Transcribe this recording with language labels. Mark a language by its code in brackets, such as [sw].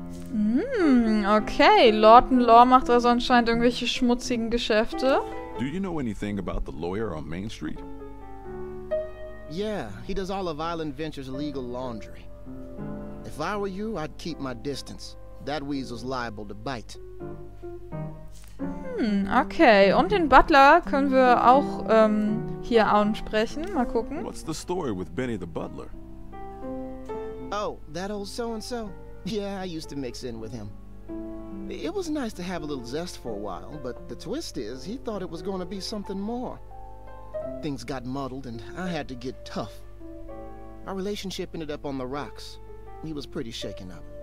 [de] Hmm, okay. Lawton Law macht also anscheinend irgendwelche schmutzigen Geschäfte. [en] Do you know anything about the lawyer on Main Street? Yeah, he does all of Island Ventures legal laundry. If I were you, I'd keep my distance. That weasel's liable to bite. Hmm, okay. [de] Und den Butler können wir auch hier ansprechen. Mal gucken. [en] What's the story with Benny the Butler? Oh, that old so-and-so. Yeah, I used to mix in with him. It was nice to have a little zest for a while, but the twist is, he thought it was going to be something more. Things got muddled, and I had to get tough. Our relationship ended up on the rocks. He was pretty shaken up.